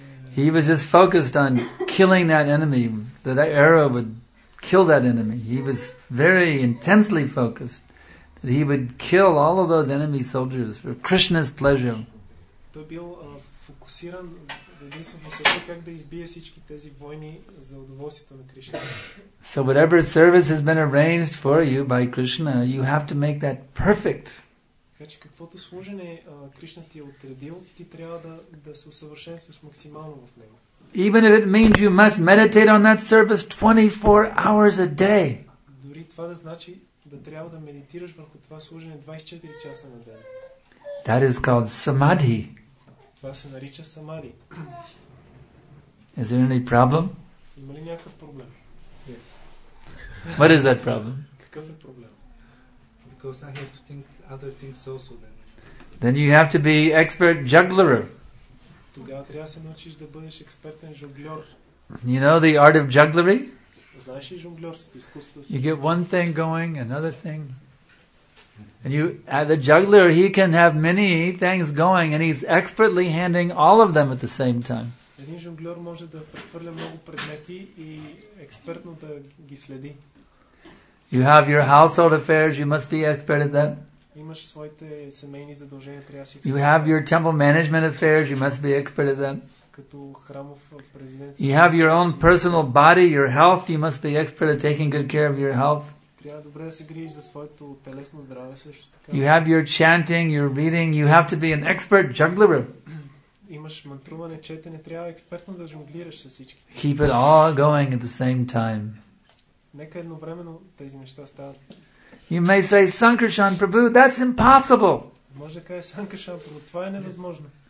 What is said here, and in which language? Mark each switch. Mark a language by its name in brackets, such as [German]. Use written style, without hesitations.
[English] He was just focused on killing that enemy. That arrow would kill that enemy. He was very intensely focused that he would kill all of those enemy soldiers for Krishna's pleasure. [Bulgarian] Той бил фокусиран единствено само как да избие всички тези войни за удоволствието на Кришна. [English] So whatever service has been arranged for you by Krishna, you have to make that perfect. [Bulgarian] Каквото служене Кришна ти е отредил, ти трябва да се усъвършенстваш максимално в него. [English] Even if it means you must meditate on that service 24 hours a day. [Bulgarian] Дори това да значи да трябва да медитираш върху това служене 24 часа на ден. [English] That is called samadhi. [Bulgarian] Това се нарича самади. [English] Is there any problem? [Bulgarian] Има ли някакъв проблем? [English] Yes. What is that problem? [Bulgarian] Какъв е проблем? [English] Because I have to think other things also then. Then you have to be expert juggler. [Bulgarian] Тогава трябва да се научиш да бъдеш експертен жонглер. [English] You know the art of jugglery? [Bulgarian] Знаеш ли жонглерството, изкуството? [English] You get one thing going, another thing. And you, the juggler, he can have many things going and he's expertly handling all of them at the same time. [Bulgarian] Един жонглер може да прехвърля много предмети и експертно да ги следи. [English] You have your household affairs, you must be expert at that. [Bulgarian] Имаш своите семейни задължения, трябва да си експерт. [English] You have your temple management affairs, you must be expert at that. [Bulgarian] Като храмов президент. [English] You have your own personal body, your health, you must be expert at taking good care of your health. [Bulgarian] Трябва добре да се грижиш за своето телесно здраве също така. [English] You have your chanting, your reading, you have to be an expert juggler. [Bulgarian] Имаш мантруване, четене, трябва експертно да жонглираш със всички. [English] Keep it all going at the same time. [Bulgarian] Нека едновременно тези неща стават. [English] You may say Sankarshan Prabhu, that's impossible. [Bulgarian] Може да кажеш Sankarshan Prabhu, това е невъзможно.